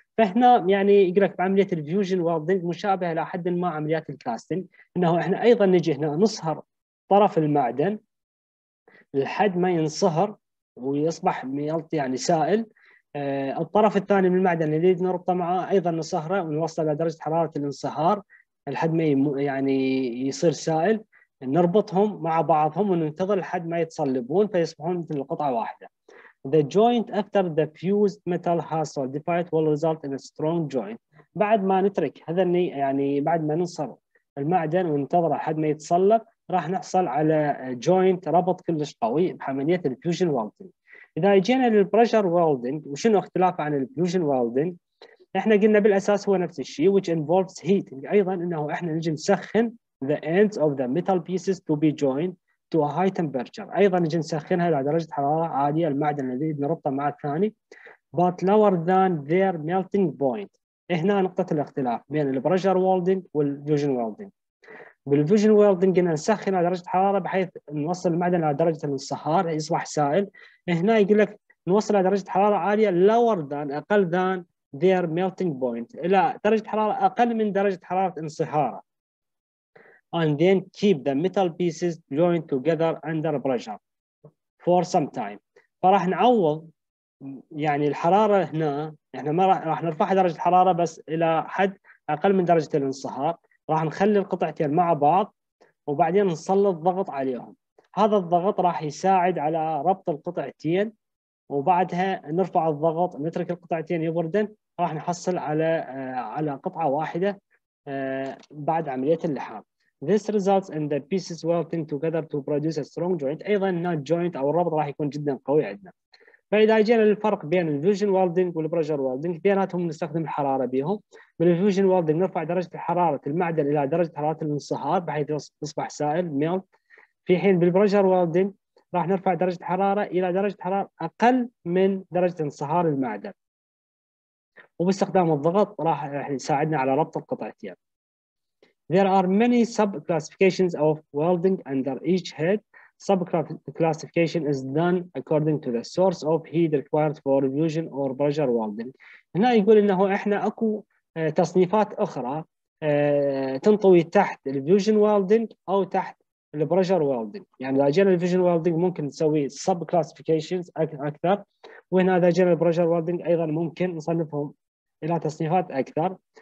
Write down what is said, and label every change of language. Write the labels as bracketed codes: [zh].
[ar] فهنا يعني يقول لك بعمليه الفيوجن ويلدنج مشابهه الى حد ما عمليات الكاستنج، انه احنا ايضا نجي هنا نصهر طرف المعدن لحد ما ينصهر ويصبح ميلط يعني سائل. الطرف الثاني من المعدن اللي نريد نربطه معه ايضا نصهره ونوصله لدرجه حراره الانصهار لحد ما يعني يصير سائل، نربطهم مع بعضهم وننتظر لحد ما يتصلبون فيصبحون مثل القطعه واحده. [en] The joint after the fused metal has solidified will result in a strong joint. [ar] بعد ما نترك هذا يعني بعد ما ننصر المعدن وننتظره لحد ما يتصلب راح نحصل على joint ربط كلش قوي بعملية الفيوجن ويلدنج. إذا جينا للبرشر ويلدنج وشنو اختلاف عن الفيوجن ويلدنج؟ احنا قلنا بالأساس هو نفس الشيء [en] which involves heating، [ar] أيضا أنه احنا نجي نسخن [en] the ends of the metal pieces to be joined to a high temperature، [ar] ايضا نجي نسخنها الى درجه حراره عاليه المعدن الذي نربطه مع الثاني، [en] but lower than their melting point. [ar] هنا نقطه الاختلاف بين البرجر ويلدنج والفيوجن ويلدنج. بالفيوجن ويلدنج نسخن على درجه حراره بحيث نوصل المعدن الى درجه الانصهار يصبح سائل، هنا يقول لك نوصل الى درجه حراره عاليه [en] lower than [ar] اقل [en] than their melting point، [ar] الى درجه حراره اقل من درجه حراره انصهاره. [en] And then keep the metal pieces joined together under pressure for some time. [ar] فراح نعوض يعني الحراره هنا، احنا ما راح نرفع درجه الحراره بس الى حد اقل من درجه الانصهار، راح نخلي القطعتين مع بعض وبعدين نسلط ضغط عليهم. هذا الضغط راح يساعد على ربط القطعتين، وبعدها نرفع الضغط نترك القطعتين يبردن راح نحصل على قطعه واحده بعد عمليه اللحام. [en] This results in the pieces welding together to produce a strong joint. [ar] أيضا [en] not joint [ar] أو الربط راح يكون جدا قوي عندنا. فإذا جينا للفرق بين الفيوجن ويلدنج والبرجر ويلدنج، بيناتهم نستخدم الحرارة بيهم. بالفيوجن ويلدنج نرفع درجة حرارة المعدن إلى درجة حرارة الانصهار بحيث يصبح سائل ميلت، في حين بالبرجر ويلدنج راح نرفع درجة حرارة إلى درجة حرارة أقل من درجة انصهار المعدن. وباستخدام الضغط راح يساعدنا على ربط القطعتين. [en] There are many sub-classifications of welding under each head. Sub-classification is done according to the source of heat required for fusion or pressure welding. [ar] هنا يقول إنه إحنا أكو تصنيفات أخرى تنطوي تحت الفيوجن ويلدنج أو تحت البريشر ويلدنج. يعني اذا جينا الفيجن ويلدنج ممكن نسوي سب كلاسيفيكيشنز اكثر، وهنا اذا جينا البريشر ويلدنج ايضا ممكن نصنفهم الى تصنيفات اكثر.